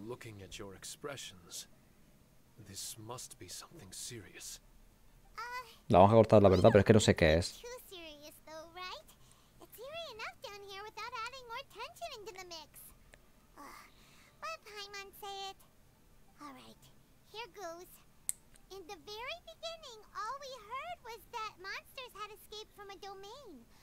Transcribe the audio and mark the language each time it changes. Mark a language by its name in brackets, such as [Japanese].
[English] Looking at your expressions, this must be something serious. [Spanish] La vamos a cortar, la verdad, pero es que no sé qué es. [English] Too serious, though, right? It's eerie enough down here without adding more tension into the mix. Let Paimon say it. All right, here goes. In the very beginning, all we heard was that monsters had escaped from a domain.